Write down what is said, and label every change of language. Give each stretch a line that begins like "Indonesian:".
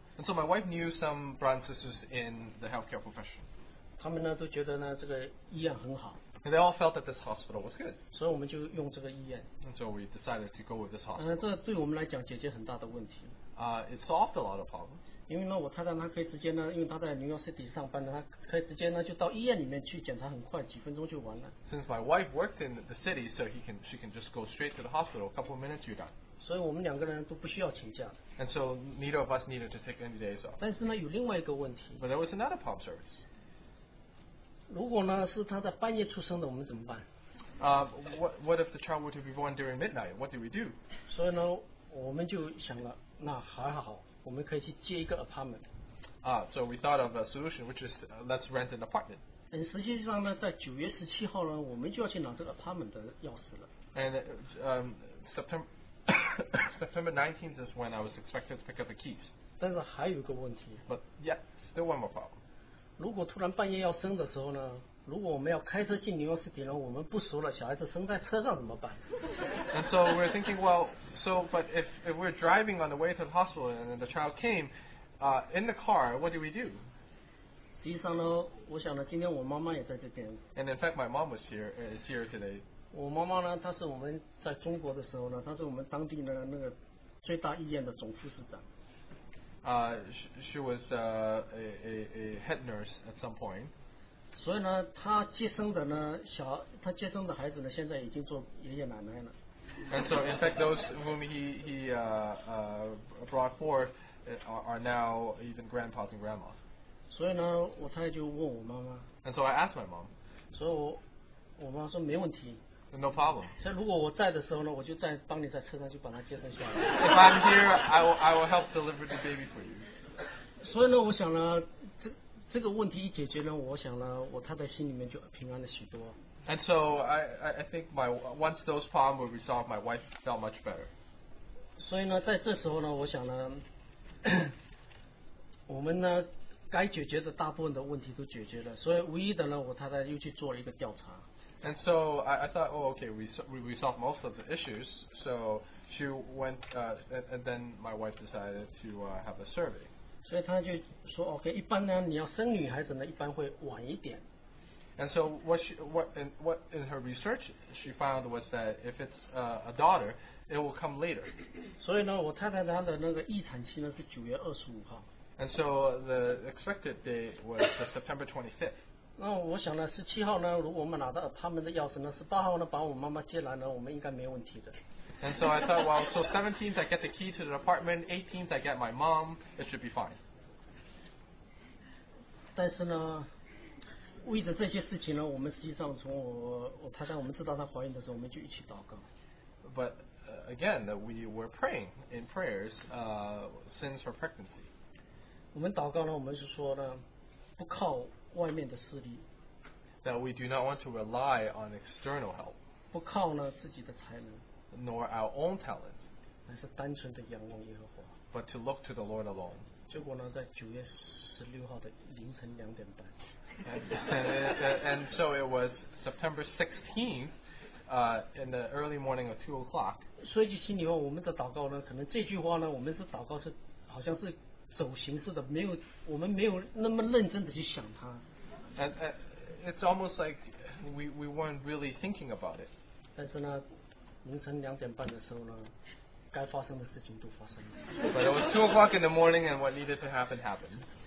English: And so my wife knew some brothers and sisters in the healthcare profession.
Chinese: 他们呢都觉得呢这个医院很好。
English: And they all felt that this hospital was good.
Chinese: 所以我们就用这个医院。
English: And so we decided to go with this hospital.
Chinese: 这对我们来讲解决很大的问题。
English: It solved a lot of problems.
Chinese: 因为呢，我太太她可以直接呢，因为她在 New York City 上班呢，她可以直接呢就到医院里面去检查，很快，几分钟就完了。
English: Since my wife worked in the city, so she can just go straight to the hospital. A couple of minutes, you're done.
Chinese: 所以我们两个人都不需要请假。
English: And so neither of us needed to take any days off.
Chinese: 但是呢，有另外一个问题。
English: But there was another problem, service.
Chinese: 如果呢是他在半夜出生的，我们怎么办？
English: What if the child were to be born during midnight? What do we do?
Chinese: 所以呢，我们就想了，那还好，我们可以去接一个 apartment.
English: So we thought of a solution, which is let's rent an apartment.
Chinese: 实际上呢，在9月17号呢，我们就要去拿这个 apartment 的钥匙了。
English: And September 19th is when I was expected to pick up the keys.
Chinese: 但是还有一个问题。
English: But yeah, still one more problem.
Chinese: 如果突然半夜要生的时候呢，如果我们要开车进 New York City，然后我们不熟了，小孩子生在车上怎么办？
English: And so we're thinking, well, so but if we're driving on the way to the hospital and the child came, in the car, what do we do?
Chinese: 实际上呢，我想呢，今天我妈妈也在这边。
English: And in fact, my mom is here today.
Chinese: 我妈妈呢，她是我们在中国的时候呢，她是我们当地的那个最大医院的总副市长。
English: She was a head nurse at some point.
Chinese: 所以呢，她接生的呢小，她接生的孩子呢，现在已经做爷爷奶奶了。
English: And so, in fact, those whom he brought forth are now even grandpas and grandmas.
Chinese: 所以呢，我太太就问我妈妈。
English: And so I asked my mom.
Chinese: 所以我妈说没问题。
English: No problem.
Chinese: 所以如果我在的时候呢，我就在帮你在车上就把它接生下来。
English: If I'm here, I will help deliver the baby for you.
Chinese: 所以呢，我想呢，这个问题一解决呢，我想呢，我太太心里面就平安了许多。
English: And so I think my once those problems were resolved, my wife felt much better.
Chinese: 所以呢，在这时候呢，我想呢，我们呢该解决的大部分的问题都解决了，所以唯一的呢，我太太又去做了一个调查。
English: And so I thought, oh, okay, we solved most of the issues. So she went, and then my wife decided to have a survey.
Chinese: 所以她就说 ，Okay, 一般呢，你要生女孩子呢，一般会晚一点。
English: And so what in her research she found was that if it's a daughter, it will come later.
Chinese: 所以呢，我太太她的那个预产期呢是9月25号。
English: And so the expected date was September 25th.
Chinese: 那我想呢，17号呢，如果我们拿到他们的钥匙呢，18号呢把我妈妈接来呢，我们应该没问题的。
English: And so I thought, well, so 17th I get the key to the apartment, 18th I get my mom, it should be fine.
Chinese: 但是呢，为了这些事情呢，我们实际上从我太太我们知道她怀孕的时候，我们就一起祷告。
English: But again, that we were praying in prayers since her pregnancy.
Chinese: 我们祷告呢，我们是说呢，不靠。外面的势力
English: that we do not want to rely on external help
Chinese: 不靠呢自己的才能
English: nor our own talent
Chinese: 而是单纯的仰望耶和华
English: but to look to the Lord alone
Chinese: 结果呢在9月16号的凌晨2点半
English: and so it was September 16th in the early morning of 2 o'clock
Chinese: 说一句心里话我们的祷告呢可能这句话呢我们是祷告是好像是走形式的，没有我们没有那么认真的去想它。
English: And it's almost like we weren't really thinking about it.
Chinese: 但是呢，凌晨两点半的时候呢，该发生的事情都发生了。
English: But it was 2 o'clock in the morning, and what needed to happen happened.